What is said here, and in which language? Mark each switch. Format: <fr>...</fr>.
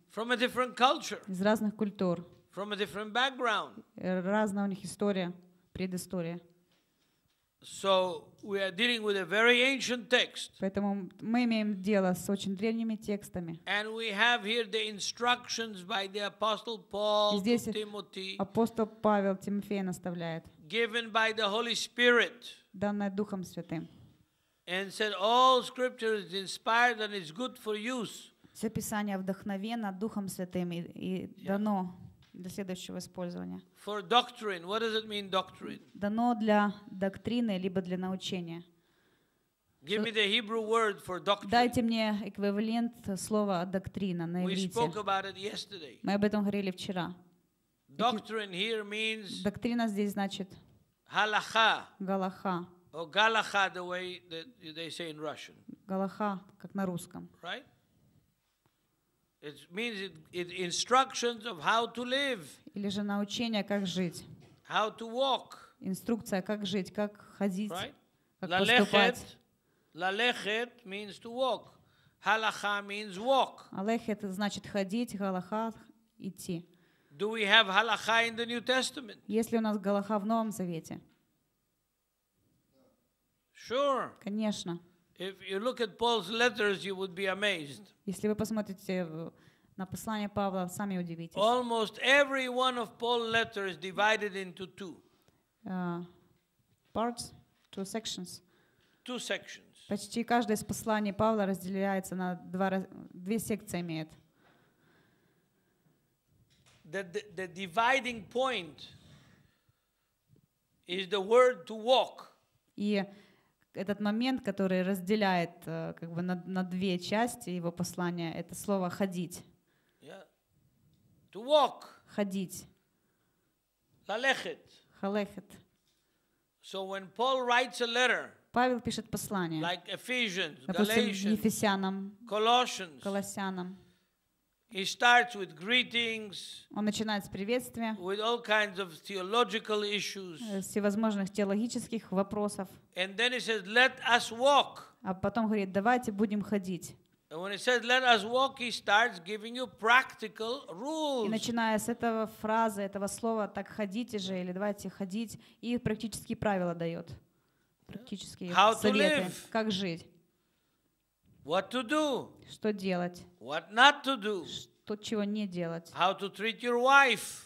<en>From a different culture.</en> <ru>Из разных культур.</ru> <en>From a different background.</en> <ru>Разная у них история, предыстория.</ru> <en>So we are dealing with a very ancient text.</en> <ru>Поэтому мы имеем дело с очень древними текстами.</ru> <en>And we have here the instructions by the apostle Paul to Timothy.</en> <ru>Апостол Павел Тимофея наставляет.</ru> <en>Given by the Holy Spirit.</en> <ru>Данное Духом Святым.</ru> <en>And said all scripture is inspired and is good for use.</en> <ru>Все писание вдохновено Духом Святым и дано для следующего использования.</ru> <en>For doctrine, what does it mean doctrine?</en> <ru>Дано для доктрины либо для научения.</ru> <en>Give me the Hebrew word for doctrine.</en> <ru>Дайте мне эквивалент слова доктрина на иврите.</ru> <en>We spoke about it yesterday.</en> <ru>Мы об этом говорили вчера.</ru> <en>Doctrine here means.</en> <ru>Доктрина здесь значит. Галаха. Галаха.</ru> <en>Or галаха, the way that they say in Russian.</en> <ru>Галаха, как на русском.</ru> <en>Right? It means it instructions of how to live.</en> <ru>Или же научение как жить.</ru> <en>How to walk.</en> <ru>Инструкция как жить, как ходить,</ru> <en>right?</en> <ru>Как ла-лехет, поступать.</ru> <en>Ла-лехет means to walk. Галаха means walk.</en> <ru>Алехет значит ходить, галаха идти.</ru> <en>Do we have галаха in the New Testament?</en> <ru>Есть ли у нас галаха в Новом Завете?</ru> <en>Sure.</en> <ru>Конечно.</ru> <en>If you look at Paul's letters, you would be amazed.</en> <ru>Если вы посмотрите на послание Павла, сами удивитесь.</ru> <en>Almost every one of Paul's letters is divided into two. Parts, two sections. Two sections.</en> <ru>Почти каждое из посланий Павла разделяется на две секции имеет.</ru> <en>The dividing point is the word to walk.</en> <ru>И этот момент, который разделяет как бы на две части его послания, это слово «ходить».</ru> <en>Yeah. To walk.</en> <ru>Ходить. Ла-лехет. Ха-лехет.</ru> <en>So when Paul writes a letter,</en> <ru>Павел пишет послание,</ru> <en>like Ephesians,</en> <ru>допустим,</ru> <en>Galatians,</en> <ru>Ефесянам,</ru> <en>Colossians,</en> <ru>Колоссянам,</ru> <en>he starts with greetings,</en> <ru>он начинает с приветствия,</ru> <en>with all kinds of theological issues,</en> <ru>всевозможных теологических вопросов.</ru> <en>And then he says, "Let us walk."</en> <ru>А потом говорит, давайте будем ходить.</ru> <en>When he says, let us walk, he starts giving you practical rules.</en> <ru>И начиная с этого фразы, этого слова, так ходите же, или давайте ходить, и практические правила дает. Практические</ru> <en>How</en> <ru>советы.</ru> <en>To live.</en> <ru>Как жить.</ru> <en>What to do.</en> <ru>Что делать.</ru> <en>What not to do.</en> <ru>Тут чего не делать.</ru> <en>How to treat your wife.</en>